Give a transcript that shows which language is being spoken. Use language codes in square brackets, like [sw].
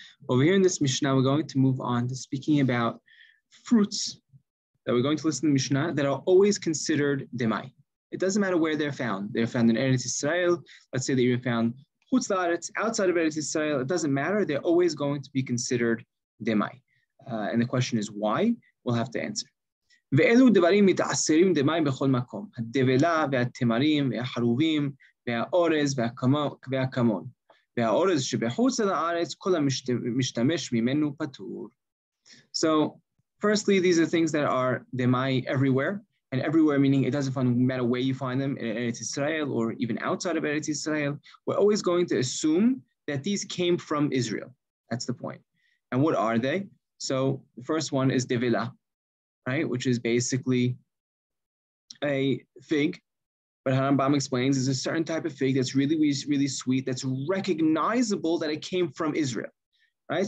[en] Over here in this Mishnah, we're going to move on to speaking about fruits that we're going to list in the Mishnah that are always considered Demai. It doesn't matter where they're found. They're found in Eretz Yisrael. Let's say they're even found Chutz La'aretz, outside of Eretz Yisrael. It doesn't matter. They're always going to be considered Demai. And the question is why? We'll have to answer. [he] ואלו דברים מתעשרים דמיים בכל מקום. הדבלה והתמרים והחרובים והאורז והכמון. והאורז שבחוץ על הארץ, כל המשתמש ממנו פטור. [en] So, firstly, these are things that are demai everywhere. And everywhere meaning it doesn't matter where you find them, in Eretz Israel or even outside of Eretz Israel. We're always going to assume that these came from Israel. That's the point. And what are they? So, the first one is dvela. Right, which is basically a fig, but Harambam explains is a certain type of fig that's really, really sweet, that's recognizable that it came from Israel, right?